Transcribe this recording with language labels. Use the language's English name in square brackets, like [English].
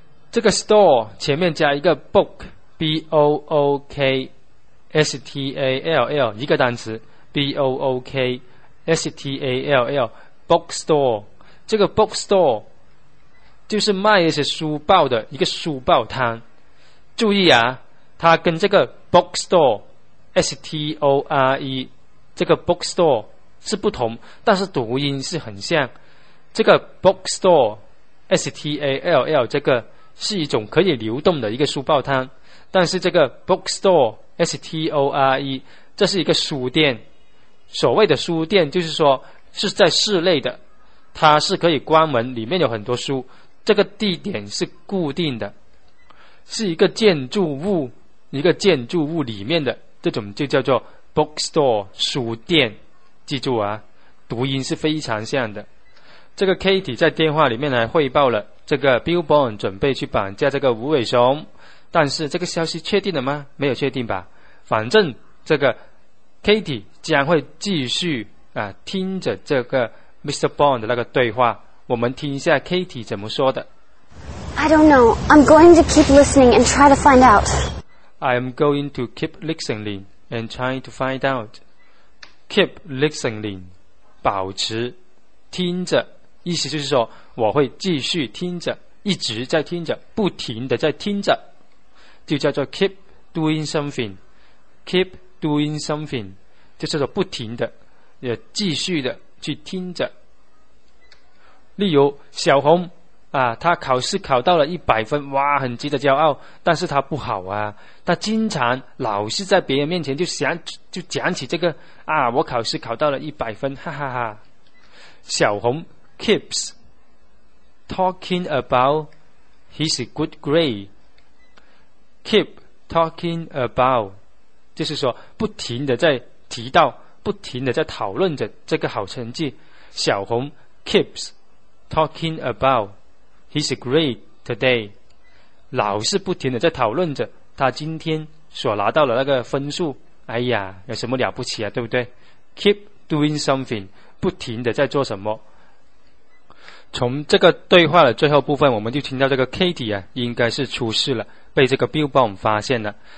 [Chinese] 这个 store 前面加一个 book， b o o k， s t a l l， 一个单词， b o o k， s t a l l， bookstore。这个 bookstore 就是卖一些书报的一个书报摊。注意啊，它跟这个 bookstore， s t o r e， 这个 bookstore。是不同，但是读音是很像。这个 bookstore S-T-A-L-L 这个是一种可以流动的一个书报摊，但是这个 bookstore S-T-O-R-E 这是一个书店。所谓的书店就是说是在室内的，它是可以关门，里面有很多书，这个地点是固定的，是一个建筑物，一个建筑物里面的，这种就叫做 bookstore 书店。记住啊，读音是非常像的。这个 Katie 在电话里面还汇报了这个 Bill Bond 准备去绑架这个无尾熊，但是这个消息确定了吗？没有确定吧。反正这个 Katie 将会继续啊听着这个 Mr. Bond 的那个对话。我们听一下 Katie 怎么说的。 [English] I don't know. I'm going to keep listening and try to find out. I am going to keep listening and trying to find out. Keep listening, [Chinese] 保持听着，意思就是说我会继续听着，一直在听着，不停的在听着，就叫做 [English] keep doing something. Keep doing something [Chinese] 就是说不停的，也继续的去听着。例如小红啊，他考试考到了100分，哇，很值得骄傲。但是他不好啊，他经常老是在别人面前就讲起这个啊，我考试考到了100分，哈哈哈。 [English] 小红 keeps talking about his good grade. Keep talking about [Chinese] 就是说不停的在提到，不停的在讨论着这个好成绩。 [English] 小红 keeps talking aboutHe's great today. [Chinese] 老是不停地在讨论着他今天所拿到的那个分数。哎呀，有什么了不起啊，对不对？ [English] Keep doing something, [Chinese] 不停地在做什么。从这个对话的最后部分，我们就听到这个 Katie 啊，应该是出事了，被这个 Billboard 发现了。